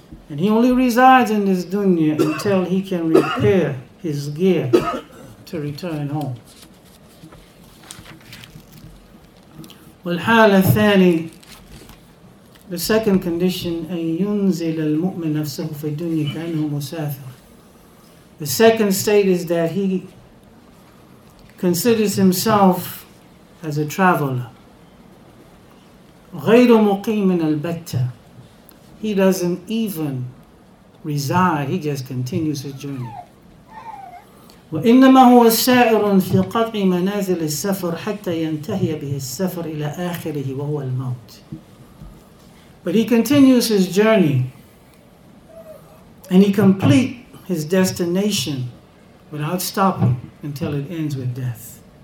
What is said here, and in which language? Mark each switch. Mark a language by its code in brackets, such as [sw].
[en] And he only resides in this dunya until he can repair his gear to return home. [ar] والحالة الثانية [en] The second condition, [ar] أن ينزل المؤمن نفسه في الدنيا كأنه مسافر. [en] The second state is that he considers himself as a traveler. [ar] غير مقيم البتة [en] He doesn't even reside. He just continues his journey. [ar] وَإِنَّمَا هُوَ السَّائِرٌ فِي قَطْعِ مَنَازِلِ السَّفَرِ حَتَّى يَنْتَهِيَ بِهِ السَّفَرِ إِلَىٰ آخِرِهِ وَهُوَ الْمَوْتِ [en] But he continues his journey and he completes his destination without stopping until it ends with death.